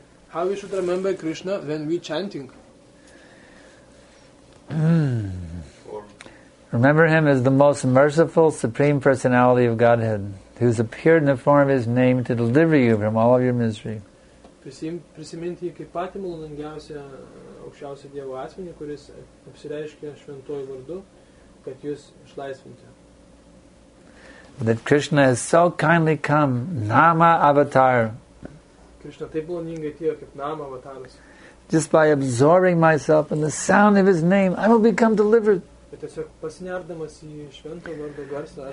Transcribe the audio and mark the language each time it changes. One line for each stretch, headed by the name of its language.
English: How we should remember Krishna when we chanting? Remember him as the most merciful Supreme Personality of Godhead, who has appeared in the form of his name to deliver you from all of your misery.
Lithuanian: Prisiminti kaip patį maloningiausią aukščiausią Dievo asmenį, kuris apsireiškė šventuoju vardu, kad jūs išlaisvintų.
English: That Krishna has so kindly come, Nama Avatar.
Lithuanian: Krishna taip maloningai atėjo kaip Nama Avataras.
English: Just by absorbing myself in the sound of his name, I will become delivered.
Lithuanian: Tiesiog pasinerdamas į švento vardo garsą.